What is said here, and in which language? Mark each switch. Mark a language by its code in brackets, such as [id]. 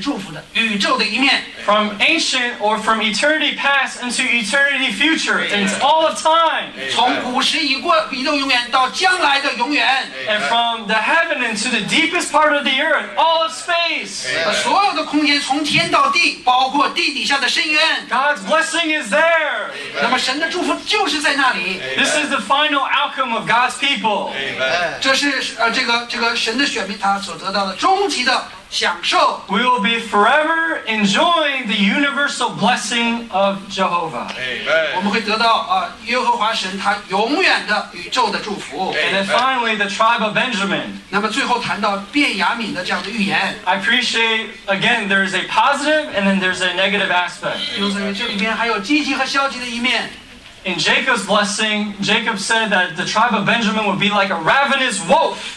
[zh] 在说到约瑟预言的时候，这是来讲到三一神祝福的宇宙的一面。 [en] From ancient or from eternity past into eternity future, it's all of time. [zh] 从古时已过，宇宙永远到将来的永远。 [en] And from the heaven into the deepest part of the earth, all of space. [zh] 所有的空间从天到地，包括地底下的深渊。 [en] God's blessing is there. [zh] 那么神的祝福就是在那里。 [en] This is the final outcome of God's people. [zh] 这个神的选民他所得到的终极的享受。 [en] We will be forever enjoying the universal blessing of Jehovah. Amen. [zh] 我们会得到耶和华神他永远的宇宙的祝福。 [en] And then finally, the tribe of Benjamin. [zh] 那么最后谈到便雅悯的这样的预言。 [en] I appreciate, again, there is a positive and then there's a negative aspect. [zh] 这里面还有积极和消极的一面。 [en] In Jacob's blessing, Jacob said that the tribe of Benjamin would be like a ravenous wolf.